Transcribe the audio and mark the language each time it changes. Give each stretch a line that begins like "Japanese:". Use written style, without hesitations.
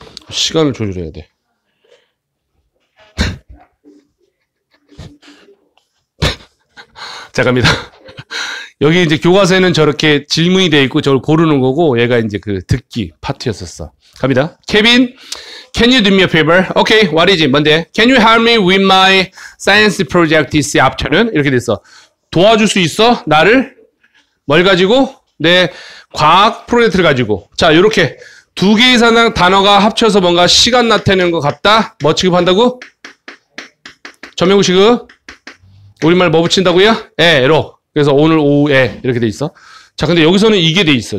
Korean: 시간을 조절해야 돼. 자, 갑니다. 여기 이제 교과서에는 저렇게 질문이 돼 있고 저걸 고르는 거고 얘가 이제 그 듣기 파트였었어. 갑니다.
English: Kevin, can you do me a favor? Okay, what is it?
Korean: 뭔데?
English: Can you help me with my science project this afternoon?
Korean: 이렇게 됐어. 도와줄 수 있어? 나를? 뭘 가지고? 내 과학 프로젝트를 가지고. 자, 요렇게 두 개 이상 단어가 합쳐서 뭔가 시간 나타내는 것 같다? 뭐 취급한다고? 전명우 취급? 우리말 뭐 붙인다고요? 에, 에로. 그래서 오늘 오후에 이렇게 돼 있어. 자, 근데 여기서는 이게 돼 있어.